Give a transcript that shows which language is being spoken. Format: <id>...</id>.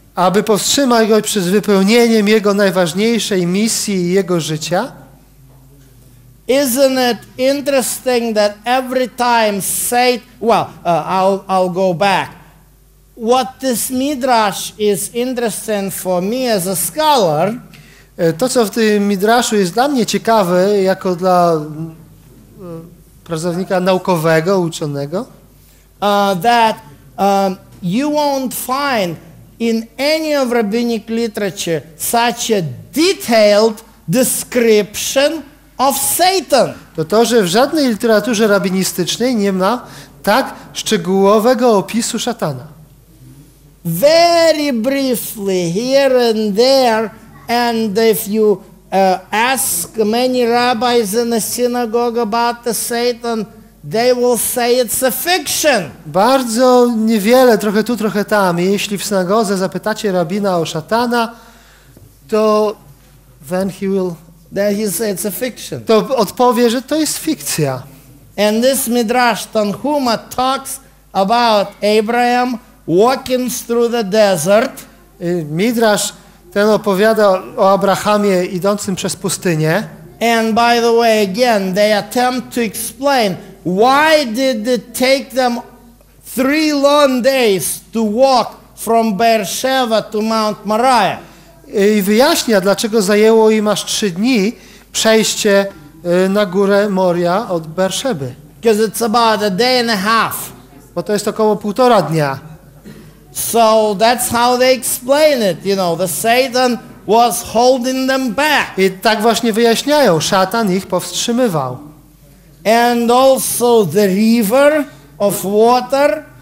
<pl>Aby powstrzymać go przed wypełnieniem jego najważniejszej misji i jego życia.</pl> <en>Isn't it interesting that every time Satan, well, I'll go back. What this midrash is interesting for me as a scholar.</en> <pl>To, co w tym midraszu jest dla mnie ciekawe, jako dla pracownika naukowego, uczonego.</pl> <en>That you won't find in any of rabbinic literature such a detailed description of Satan.</en> <pl>To, że w żadnej literaturze rabinistycznej nie ma tak szczegółowego opisu szatana.</pl> <en>Very briefly, here and there, and if you ask many rabbis in the synagogue about the Satan, they will say it's a fiction.</en> <pl>Bardzo niewiele, trochę tu, trochę tam. I jeśli w synagodze zapytacie rabina o szatana, to</pl> <en>then he will. Then he says it's a fiction.</en> <pl>To odpowie, że to jest fikcja.</pl> <en>And this midrash Tanhuma talks about Abraham walking through the desert.</en> <pl>Midrash ten opowiada o Abrahamie idącym przez pustynię.</pl> <en>And by the way, again, they attempt to explain why did it take them three long days to walk from Beersheba to Mount Moriah.</en> <pl>I wyjaśnia, dlaczego zajęło im aż trzy dni przejście na górę Moria od Beersheby.</pl> <en>Because it's about a day and a half.</en> <pl>Bo to jest około półtora dnia.</pl> <en>So that's how they explain it, you know, the Satan was holding them back.</en> <pl>I tak właśnie wyjaśniają, szatan ich powstrzymywał.</pl> <en>And also the river of water.</en>